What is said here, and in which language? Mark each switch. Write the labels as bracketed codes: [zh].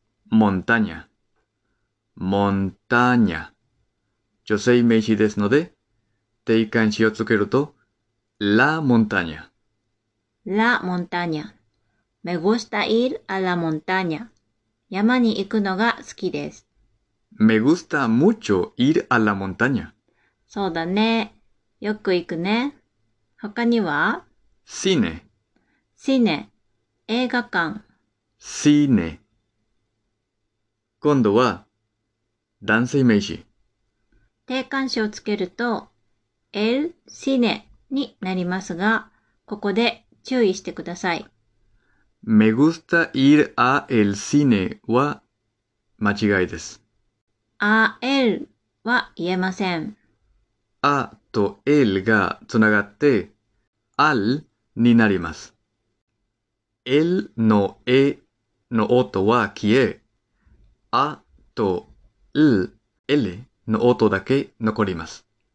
[es] montaña. Montaña. [ja] 女性名詞ですので、定冠詞をつけると、la montaña。 [es] la montaña。 me gusta ir a la montaña。 [ja] 山に行くのが好きです。 [es] me gusta mucho ir a la montaña。 [ja] そうだね。よく行くね。他には [es] cine。 cine。 映画館。 [ja] cine。 今度は、男性名詞。定冠詞をつけると、el cine になりますが、ここで注意してください。 [es] me gusta ir a el cine [ja] は間違いです。 a el は言えません。 a と el がつながって、al になります。 el の e の音は消え、a と l、l の音だけ残ります。